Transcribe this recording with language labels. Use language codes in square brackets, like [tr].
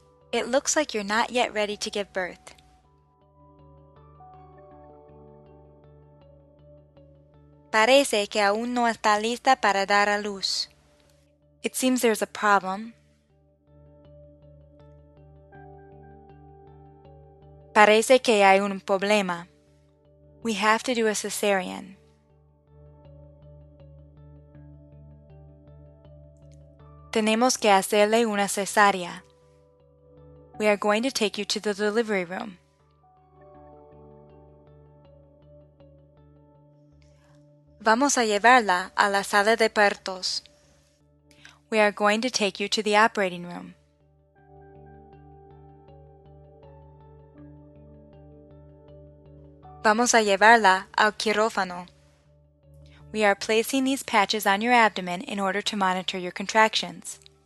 [en] It looks like you're not yet ready to give birth. [es] Parece que aún no está lista para dar a luz. [en] It seems there's a problem. [es] Parece que hay un problema. [en] We have to do a cesarean. [es] Tenemos que hacerle una cesárea. [en] We are going to take you to the delivery room. [es] Vamos a llevarla a la sala de partos. [en] We are going to take you to the operating room. [es] Vamos a llevarla al quirófano. [en] We are placing these patches on your abdomen in order to monitor your contractions.